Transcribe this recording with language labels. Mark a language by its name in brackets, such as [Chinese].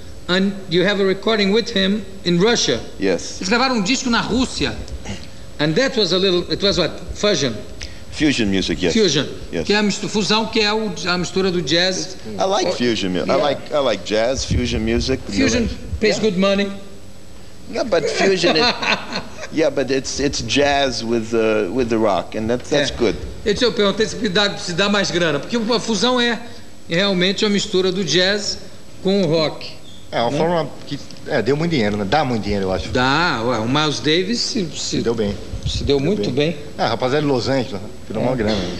[English] And you have a recording with him in Russia. Yes. [Portuguese] Eles gravaram um disco na Rússia. [English] And that was a little... It was what? Fusion. Fusion music, yes. Fusion. Yes. [Portuguese] Que é a fusão, que é a mistura do jazz. [English] I like fusion music. Yeah. I like jazz, fusion music. Fusion pays good money. Yeah, but fusion but it's jazz with the rock, and that's good. [Portuguese] Eu te perguntei se dá mais grana, porque a fusão é realmente uma mistura do jazz com o rock. É uma forma que deu muito dinheiro, né? Dá muito dinheiro, eu acho. Dá, o Miles Davis se deu bem. Se deu muito bem. Ah, rapaziada de Los Angeles, pelo maior grana.